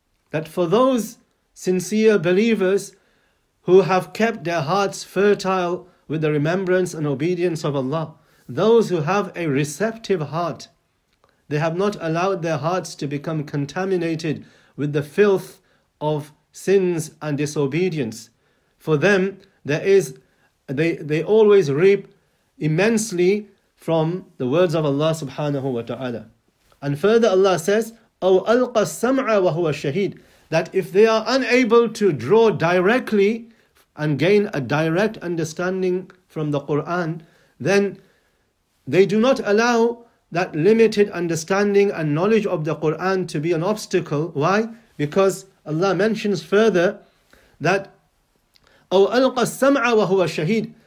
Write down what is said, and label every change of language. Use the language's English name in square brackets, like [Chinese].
[English] That for those sincere believers who have kept their hearts fertile with the remembrance and obedience of Allah, those who have a receptive heart, they have not allowed their hearts to become contaminated with the filth of sins and disobedience. For them, they always reap immensely from the words of Allah subhanahu wa ta'ala. And further Allah says, [Arabic] أَوْ أَلْقَ السَّمْعَ وَهُوَ الشَّهِيدُ. [English] That if they are unable to draw directly and gain a direct understanding from the Qur'an, then they do not allow that limited understanding and knowledge of the Qur'an to be an obstacle. Why? Because Allah mentions further that [Arabic] أَوْ أَلْقَ السَّمْعَ وَهُوَ الشَّهِيدُ.